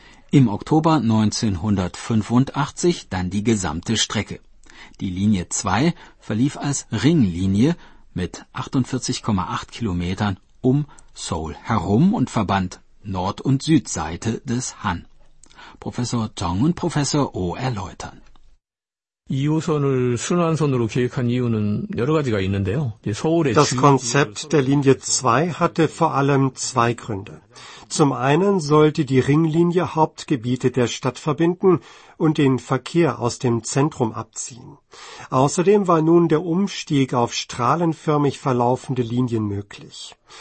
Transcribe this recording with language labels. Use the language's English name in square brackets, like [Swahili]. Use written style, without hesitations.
[German] Im Oktober 1985 dann die gesamte Strecke. Die Linie 2 verlief als Ringlinie mit 48,8 Kilometern um Seoul herum und verband Nord- und Südseite des Han. Professor Zhang und Professor Oh erläutern. [Korean] 2호선을 순환선으로 계획한 이유는 여러 가지가 있는데요. [German] Das Konzept der Linie 2 hatte vor allem 2 Gründe. Zum einen sollte die Ringlinie Hauptgebiete der Stadt verbinden und den Verkehr aus dem Zentrum abziehen. Außerdem war nun der Umstieg auf strahlenförmig verlaufende Linien möglich.